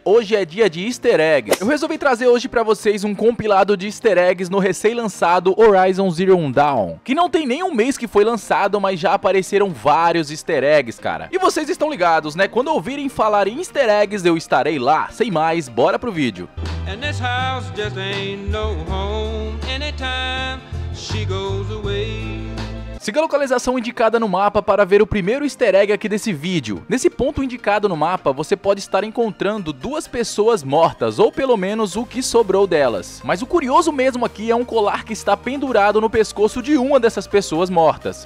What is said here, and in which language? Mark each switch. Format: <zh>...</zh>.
<pt>Hoje é dia de easter eggs. Eu resolvi trazer hoje pra vocês um compilado de easter eggs no recém-lançado Horizon Zero Dawn. Que não tem nem um mês que foi lançado, mas já apareceram vários easter eggs, cara. E vocês estão ligados, né? Quando ouvirem falar em easter eggs, eu estarei lá. Sem mais, bora pro vídeo.</pt> <en>And this house just ain't no home. Anytime she goes away.</en> <pt>Siga a localização indicada no mapa para ver o primeiro easter egg aqui desse vídeo. Nesse ponto indicado no mapa, você pode estar encontrando duas pessoas mortas, ou pelo menos o que sobrou delas. Mas o curioso mesmo aqui é um colar que está pendurado no pescoço de uma dessas pessoas mortas.</pt>